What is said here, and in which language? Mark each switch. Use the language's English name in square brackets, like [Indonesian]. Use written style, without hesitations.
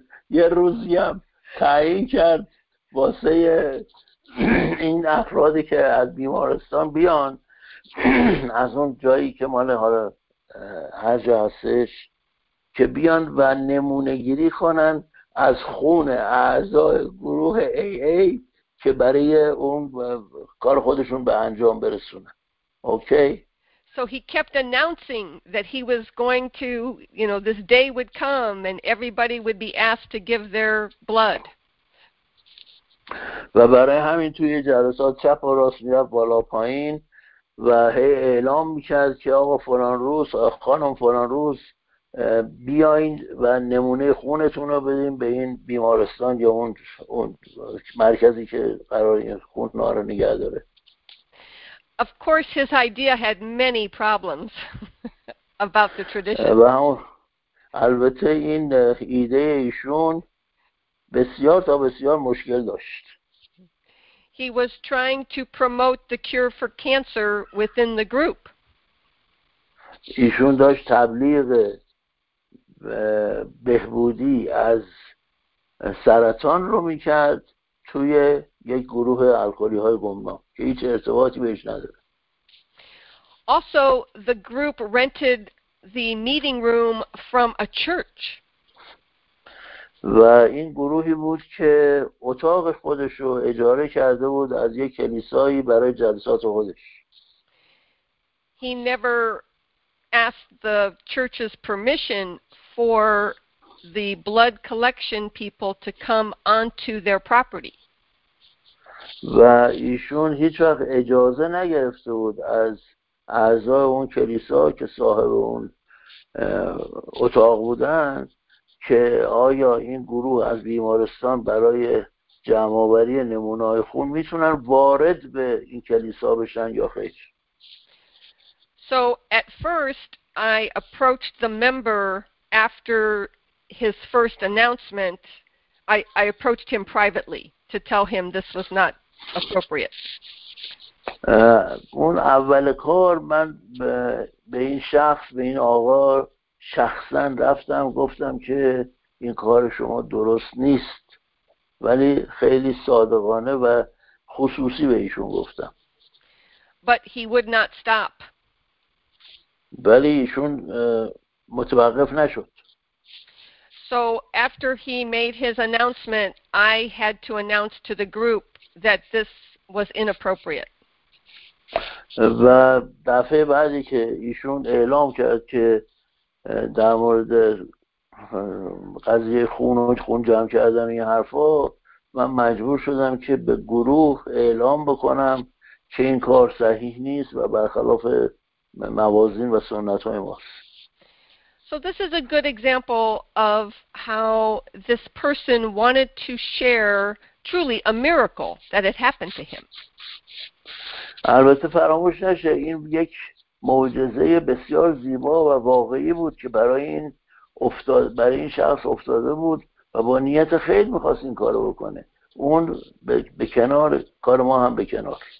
[Persian] یه روزی هم تعیین کرد واسه این افرادی که از بیمارستان بیان از اون جایی که مال حالا هر جا هستش که بیان و نمونه گیری کنن از خون اعضای گروه AA که برای اون کار خودشون به انجام برسونن. اوکی؟ [English] So he kept announcing that he was going to, you know, this day would come and everybody would be asked to give their blood. [Persian] و برای همین توی جلسات چپ و راست میرفت بالا پایین و هی اعلام میکرد که آقا فلان روز، خانم فلان روز بیاین و نمونه خونتون رو بدین به این بیمارستان یا اون مرکزی که قرار این خون ها رو نگه داره. [English] Of course, his idea had many problems about the tradition. [Persian] البته این ایده ایشون بسیار تا بسیار مشکل داشت. [English] He was trying to promote the cure for cancer within the group. [Persian] ایشون داشت تبلیغ بهبودی از سرطان رو میکرد توی یک گروه الکلی‌های گمنام که هیچ ارتباطی بهش نداره. [English] Also, the group rented the meeting room from a church. [Persian] و این گروهی بود که اتاق خودش رو اجاره کرده بود از یک کلیسایی برای جلسات خودش. [English] He never asked the church's permission for the blood collection people to come onto their property. [Persian] و ایشون هیچ وقت اجازه نگرفته بود از اعضای اون کلیسا که صاحب اون اتاق بودن که آیا این گروه از بیمارستان برای جمع‌آوری نمونه‌های خون میتونن وارد به این کلیسا بشن یا خیر. [English] So at first I approached the member after his first announcement. I approached him privately to tell him this was not appropriate. [Persian] اون اول کار من به این شخص به این آقا شخصا رفتم گفتم که این کار شما درست نیست ولی خیلی صادقانه و خصوصی به ایشون گفتم. [English] But he would not stop. [Persian] ولی ایشون متوقف نشد. [English] So after he made his announcement I had to announce to the group that this was inappropriate. [Persian] و دفعه بعدی که ایشون اعلام کرد که در مورد قضیه خون و خون جمع کردن این حرفا من مجبور شدم که به گروه اعلام بکنم که این کار صحیح نیست و برخلاف موازین و سنت های ماست. [English] So this is a good example of how this person wanted to share truly a miracle that had happened to him. [Persian] البته فراموش نشه این یک معجزه بسیار زیبا و واقعی بود که برای این افتاد برای این شخص افتاده بود و با نیت خیر می‌خواست این کارو بکنه. اون به کنار کار ما هم به کنار.